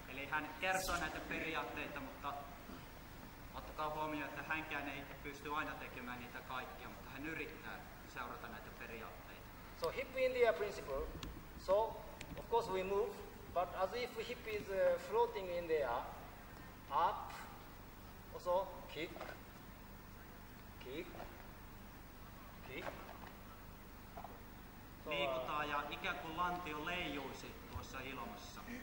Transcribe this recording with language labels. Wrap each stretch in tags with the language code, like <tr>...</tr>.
<fi>Hän kertoo näitä periaatteita, mutta ottakaa huomioon, että hänkään ei pysty aina tekemään niitä kaikkia, mutta hän yrittää seurata näitä periaatteita.</fi> <en>So hip in the air principle. So of course we move, but as if hip is floating in the air, up, also kick, kick, kick.</en> <fi>So, liikutaan ja ikään kuin lantio leijuisi tuossa ilmassa.</fi>